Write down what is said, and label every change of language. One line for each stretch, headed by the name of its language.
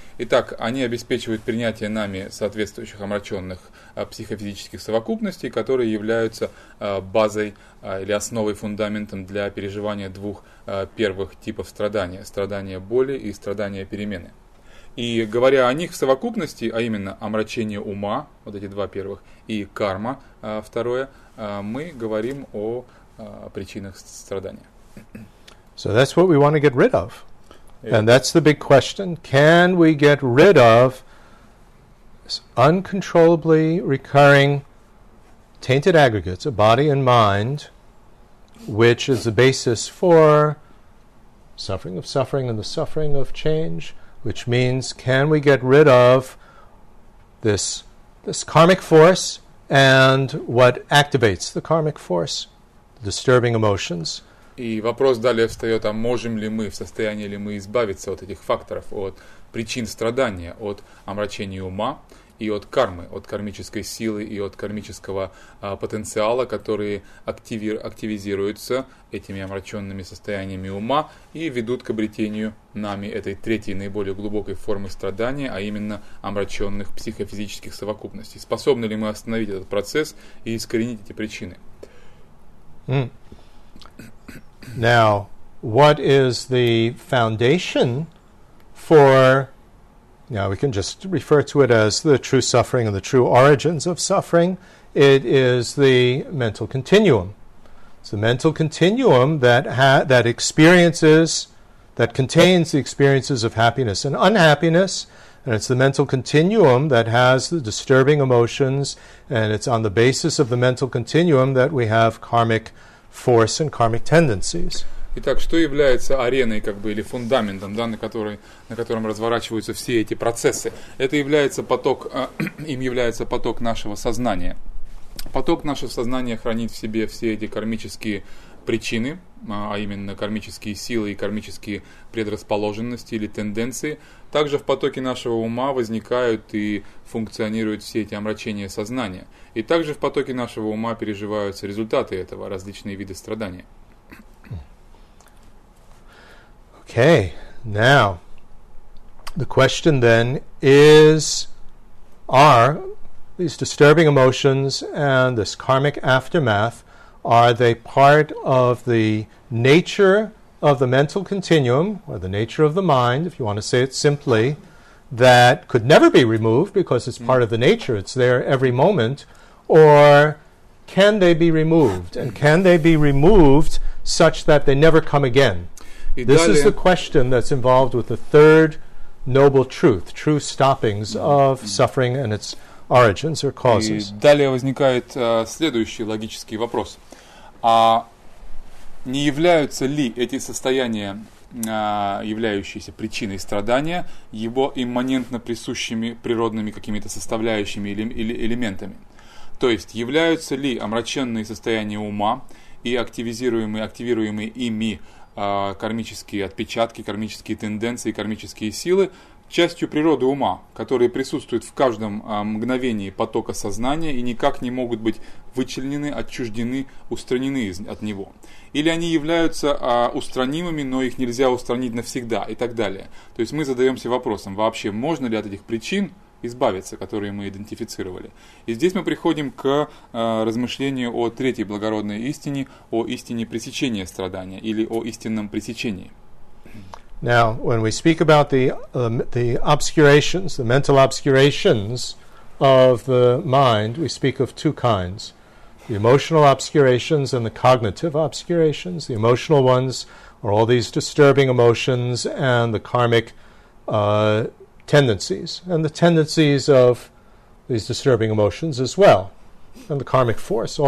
Russian: Итак, они обеспечивают принятие нами соответствующих омраченных психофизических совокупностей, которые являются базой или основой, фундаментом для переживания двух первых типов страдания – страдания боли и страдания перемены. И говоря о них в совокупности, а именно омрачение ума, вот эти два первых, и карма, второе, мы говорим о причинах страдания.
English: So that's what we want to get rid of. And that's the big question. Can we get rid of uncontrollably recurring tainted aggregates, a body and mind, which is the basis for suffering of suffering and the suffering of change, which means, can we get rid of this karmic force and what activates the karmic force, the disturbing emotions?
Russian: И вопрос далее встает, а можем ли мы, в состоянии ли мы избавиться от этих факторов, от причин страдания, от омрачения ума и от кармы, от кармической силы и от кармического потенциала, который активизируется этими омраченными состояниями ума и ведут к обретению нами этой третьей, наиболее глубокой формы страдания, а именно омраченных психофизических совокупностей. Способны ли мы остановить этот процесс и искоренить эти причины? Mm.
English: Now, what is the foundation for, now we can just refer to it as the true suffering and the true origins of suffering. It is the mental continuum. It's the mental continuum that contains the experiences of happiness and unhappiness. And it's the mental continuum that has the disturbing emotions. And it's on the basis of the mental continuum that we have karmic force and karmic tendencies.
Russian: Итак, что является ареной, как бы, или фундаментом, да, на котором разворачиваются все эти процессы? Это является поток, им является поток нашего сознания. Поток нашего сознания хранит в себе все эти кармические причины, а именно кармические силы и кармические предрасположенности или тенденции. Также в потоке нашего ума возникают и функционируют все эти омрачения сознания. И также в потоке нашего ума переживаются результаты этого, различные виды страдания.
English: Okay, now, the question then is, are these disturbing emotions and this karmic aftermath, are they part of the nature of the mental continuum, or the nature of the mind, if you want to say it simply, that could never be removed because it's part of the nature, it's there every moment, or can they be removed? And can they be removed such that they never come again? This is the question that's involved with the third noble truth, true stoppings of suffering and its origins or causes.
Russian: И далее возникает следующий логический вопрос. А не являются ли эти состояния, являющиеся причиной страдания, его имманентно присущими природными какими-то составляющими или элементами? То есть являются ли омраченные состояния ума и активируемые ими кармические отпечатки, кармические тенденции, кармические силы частью природы ума, которые присутствуют в каждом мгновении потока сознания и никак не могут быть вычленены, отчуждены, устранены от него. Или они являются устранимыми, но их нельзя устранить навсегда и так далее. То есть мы задаемся вопросом, вообще можно ли от этих причин избавиться, которые мы идентифицировали. И здесь мы приходим к размышлению о третьей благородной истине, о истине пресечения страдания или о истинном пресечении.
English: Now, when we speak about the obscurations, the mental obscurations of the mind, we speak of two kinds: the emotional obscurations and the cognitive obscurations. The emotional ones are all these disturbing emotions and the karmic tendencies, and the tendencies of these disturbing emotions as well, and the karmic force.